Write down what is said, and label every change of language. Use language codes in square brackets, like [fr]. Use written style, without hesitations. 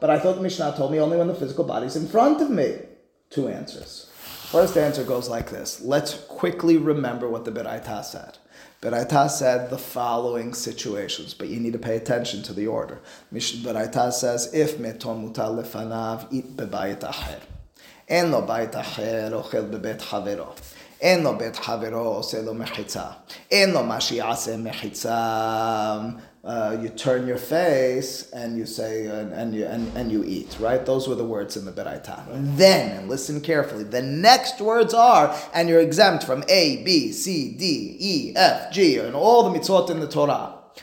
[en] But I thought Mishnah told me only when the physical body is in front of me. Two answers. First answer goes like this. Let's quickly remember what the Beraita said. Beraita said the following situations, but you need to pay attention to the order. Beraita says, if [he] meto mutal lefanav, [en] eat [he] bebayit acher. אין לו בית אחר אוכל בבית חברו. אין לו בית חברו עושה לו מחיצה. אין לו מה שיעשה מחיצה. [en] You turn your face and you say and you eat, right? Those were the words in the Beraita. Right. Then, and listen carefully, the next words are, and you're exempt from A, B, C, D, E, F, G, and all the mitzvot in the Torah.